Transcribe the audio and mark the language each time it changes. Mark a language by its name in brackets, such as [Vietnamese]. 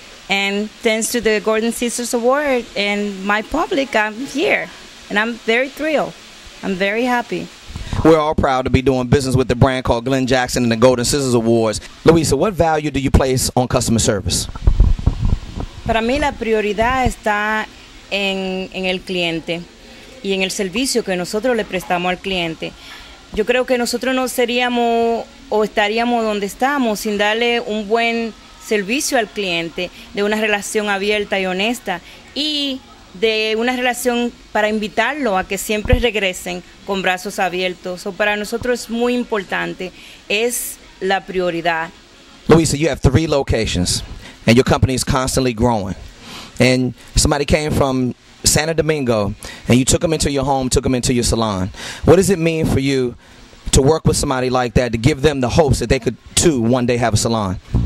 [English] And thanks to the Golden Scissor Award and my public, I'm here. And I'm very thrilled. I'm very happy. We're all proud to be doing business with the brand called Glynn Jackson and the Golden Scissor Awards. Luisa, what value do you place on customer service? [Spanish] Para mí la prioridad está en el cliente y en el servicio que nosotros le prestamos al cliente. Yo creo que nosotros no seríamos o estaríamos donde estamos sin darle un buen servicio al cliente, de una relación abierta y honesta, y de una relación para invitarlo a que siempre regresen con brazos abiertos. So para nosotros es muy importante, es la prioridad. [English] Luisa, you have 3 locations, and your company is constantly growing. And somebody came from Santo Domingo, and you took them into your home, took them into your salon. What does it mean for you to work with somebody like that, to give them the hopes that they could, too, one day have a salon?